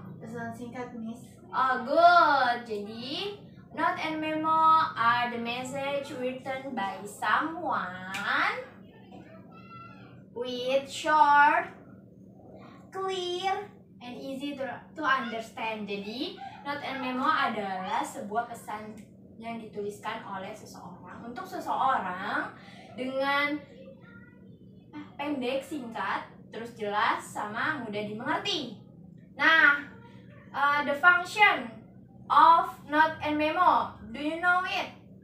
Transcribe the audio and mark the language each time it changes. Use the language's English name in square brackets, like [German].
[Indonesian] Pesan singkat, miss. [English] Oh, good. Jadi, note and memo are the message written by someone with short, clear, and easy to understand. [Indonesian] Jadi, note and memo adalah sebuah pesan yang dituliskan oleh seseorang untuk seseorang dengan pendek, singkat, terus jelas, sama mudah dimengerti. [English] Nah, the function of note and memo, do you know it?